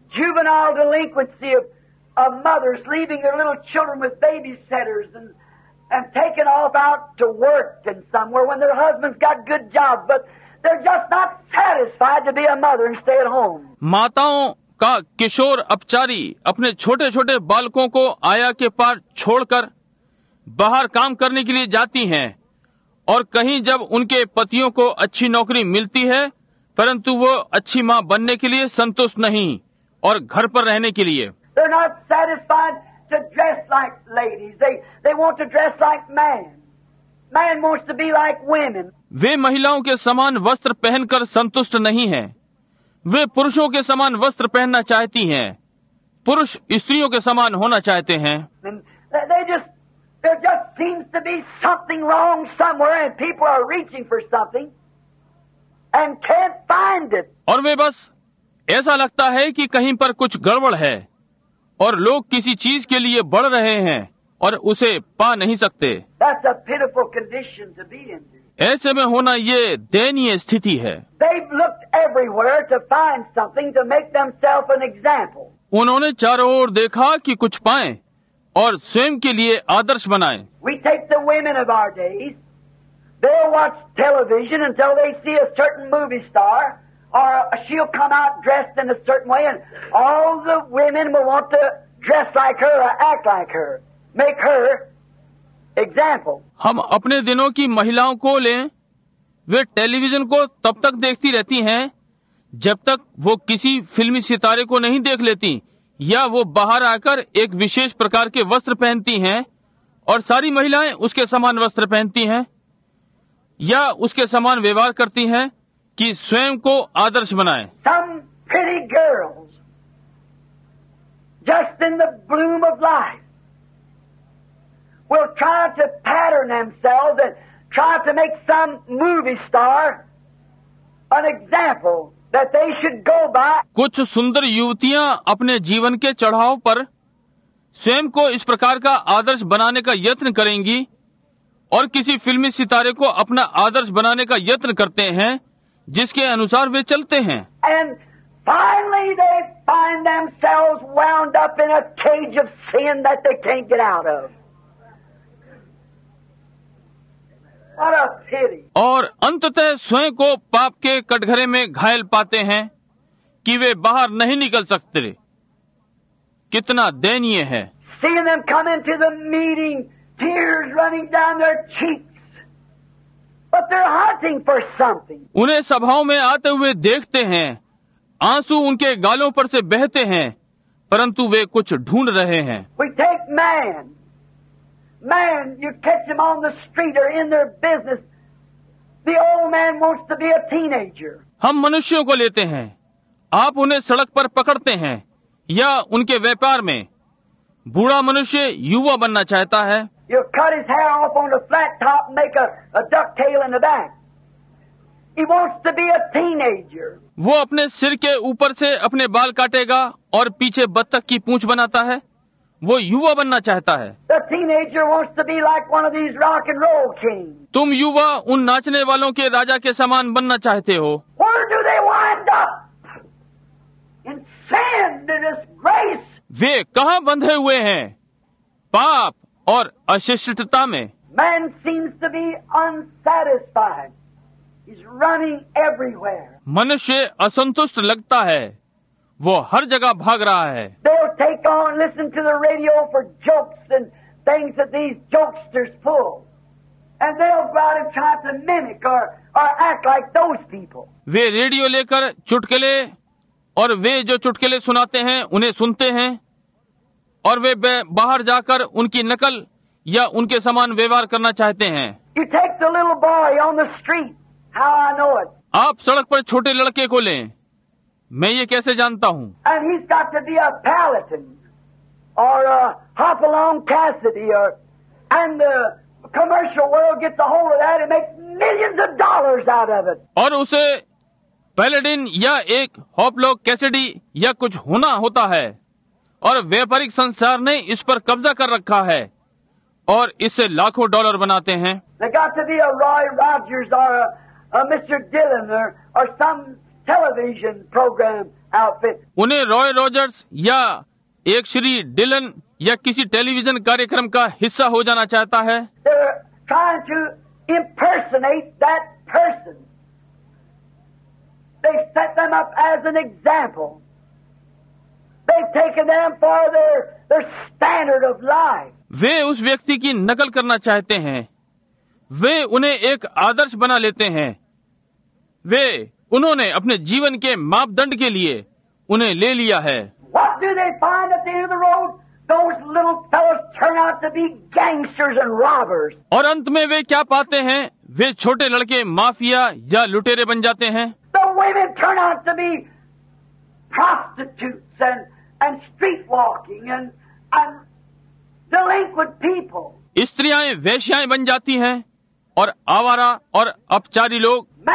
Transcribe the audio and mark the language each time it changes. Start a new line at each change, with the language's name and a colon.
English: Juvenile delinquency of mothers leaving their little children with babysitters and taking off out to work and somewhere when their husbands got good jobs, but they're just not satisfied to be a mother and stay at home.
Hindi: माताओं का किशोर अपचारी अपने छोटे छोटे बालकों को आया के पार छोड़कर बाहर काम करने के लिए जाती हैं और कहीं जब उनके पतियों को अच्छी नौकरी मिलती है परंतु वो अच्छी माँ बनने के लिए संतुष्ट नहीं और घर पर रहने के लिए।
English: They're not satisfied to dress like ladies. They want to dress like man. Man wants to be like women.
Hindi: वे महिलाओं के समान वस्त्र पहनकर संतुष्ट नहीं हैं। वे पुरुषों के समान वस्त्र पहनना चाहती हैं, पुरुष स्त्रियों के समान होना चाहते हैं।
English: There just seems to be something wrong somewhere and people are reaching for something and can't find it.
Hindi: और वे बस ऐसा लगता है कि कहीं पर कुछ गड़बड़ है और लोग किसी चीज के लिए बढ़ रहे हैं और उसे पा नहीं सकते।
English: That's a pitiful condition to be in.
Hindi: ऐसे में होना ये दयनीय स्थिति है।
English: They've looked everywhere to find something to make themselves an example.
Hindi: उन्होंने चारों ओर देखा कि कुछ पाएं और स्वयं के लिए आदर्श बनाएं।
English: We take the women of our days. They'll watch television until they see a certain movie star, or she'll come out dressed in a certain way, and all the women will want to dress like her or act like her, make her. Example.
Hindi: हम अपने दिनों की महिलाओं को लें, वे television को तब तक देखती रहती हैं, जब तक वो किसी फिल्मी सितारे को नहीं देख लेती या वो बाहर आकर एक विशेष प्रकार के वस्त्र पहनती हैं और सारी महिलाएं उसके समान वस्त्र पहनती हैं या उसके समान व्यवहार करती हैं कि स्वयं को आदर्श बनाएं।
English: Some pretty girls, just in the bloom of life. Will try to pattern themselves and try to make some movie star an example that they should go by.
Hindi: कुछ सुंदर युवतियां अपने जीवन के चढ़ाव पर स्वयं को इस प्रकार का आदर्श बनाने का यत्न करेंगी और किसी फिल्मी सितारे को अपना आदर्श बनाने का यत्न करते हैं जिसके अनुसार वे चलते हैं।
English: And finally they find themselves wound up in a cage of sin that they can't get out of.
Hindi: और अंततः स्वयं को पाप के कटघरे में घायल पाते हैं कि वे बाहर नहीं निकल सकते। कितना दयनीय है उन्हें सभाओं में आते हुए देखते हैं, आंसू उनके गालों पर से बहते हैं, परंतु वे कुछ ढूंढ रहे हैं।
English: We take man, you catch him on the street or in their business. The old man wants to be a teenager.
Hindi: हम मनुष्यों को लेते हैं, आप उन्हें सड़क पर पकड़ते हैं या उनके व्यापार में, बूढ़ा मनुष्य युवा बनना चाहता है।
English: You cut his hair off on a flat top and make a duck tail in the back. He wants to be a teenager.
Hindi: वो अपने सिर के ऊपर से अपने बाल काटेगा और पीछे बत्तख की पूंछ बनाता है। वो युवा बनना चाहता है।
English: The teenager wants to be like one of these rock and roll kings.
Hindi: तुम युवा उन नाचने वालों के राजा के समान बनना चाहते हो।
English: Where do they wind up? In sin, in disgrace.
Hindi: वे कहाँ बंधे हुए हैं? पाप और अशिष्टता में।
English: Man seems to be unsatisfied. He's running everywhere.
Hindi: मनुष्य असंतुष्ट लगता है, वो हर जगह भाग रहा है।
English: They'll take on, listen to the radio for jokes and things that these jokesters pull. And they'll go out and try to mimic or act like those people.
Hindi: Way radio लेकर चुटकुले और वे जो चुटकुले सुनाते हैं उन्हें सुनते हैं और वे बाहर जाकर उनकी नकल या उनके समान व्यवहार करना चाहते हैं।
English: You take the little boy on the street. How I know it.
Hindi: आप सड़क पर छोटे लड़के को लें, मैं ये कैसे जानता हूँ?
English: And he's got to be a Paladin or a Hopalong Cassidy or and the commercial world gets a hold of that and makes millions of dollars out of it.
Hindi: और उसे पैलेडिन या एक हॉपलॉग कैसिडी या कुछ होना होता है और व्यापारिक संसार ने इस पर कब्जा कर रखा है और इसे लाखों डॉलर बनाते हैं।
English: They got to be a Roy Rogers or a Mr. Dillon or some television program outfit.
Hindi: उन्हें रॉय रॉजर्स या एक श्री डिलन या किसी टेलीविजन कार्यक्रम का हिस्सा हो जाना चाहता है।
English: They're trying to impersonate that person. They set them up as an example. They've taken them for their standard of life.
Hindi: वे उस व्यक्ति की नकल करना चाहते हैं। वे उन्हें एक आदर्श बना लेते हैं। वे उन्होंने अपने जीवन के मापदंड के लिए उन्हें ले लिया है।
English: What do they find at the end of the road? Those little fellows turn out to be gangsters and robbers.
Hindi: और अंत में वे क्या पाते हैं? वे छोटे लड़के माफिया या लुटेरे बन जाते हैं।
English: The women turn out to be prostitutes and street walking and delinquent people.
Hindi: स्त्रियाँ वेश्याएं बन जाती हैं और आवारा और अपचारी लोग।